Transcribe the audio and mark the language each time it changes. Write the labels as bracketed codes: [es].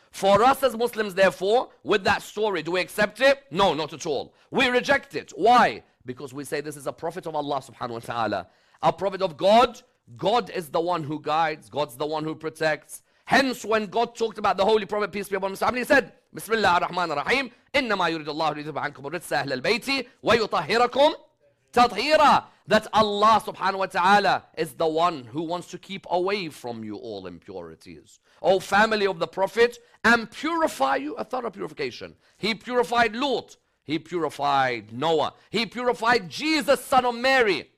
[en] For us as Muslims, therefore, with that story, do we accept it? No, not at all. We reject it. Why? Because we say this is a prophet of Allah subhanahu wa ta'ala. A prophet of God. God is the one who guides. God's the one who protects. Hence, when God talked about the Holy Prophet, peace be upon him, he said, [ar] بسم الله الرحمن الرحيم. إنما يريد الله ليذهب عنكم الرجس أهل البيت ويطهركم تطهيرا. [en] That Allah subhanahu wa ta'ala is the one who wants to keep away from you all impurities. O family of the Prophet, and purify you, a thorough purification. He purified Lot. He purified Noah. He purified Jesus, son of Mary.